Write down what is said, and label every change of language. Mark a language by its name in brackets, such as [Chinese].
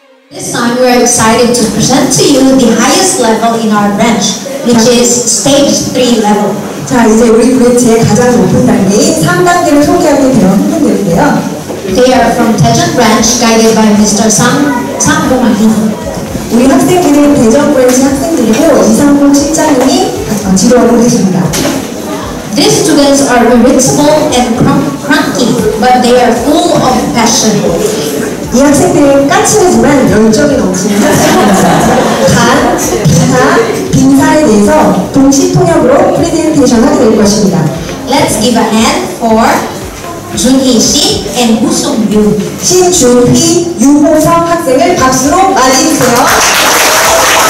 [English] This time we're excited to present to you the highest level in our branch, which is stage 3 level. [Korean] 자, 이제 우리 브랜치의 가장 높은 단계, 3단계를 소개하게 되는 후보들인데요. [English] They are from Daejeon branch, guided by Mr. Sang Bo-man. [Korean] 우리 학생들은 대전 브랜치 학생들이고, 이상봉 실장님이 지도하고 계십니다. [English] These students are irritable and cranky, but they are full of passion. [Korean] 이 학생들은 까칠하지만 열정이 넘치는 학생입니다. 간, 비하, 빈사에 대해서 동시통역으로 프레젠테이션하게 될 것입니다. [English] Let's give a hand for 준희씨 and 구성유. [Korean] 신준희, 유호성 학생을 박수로 맞이해주세요.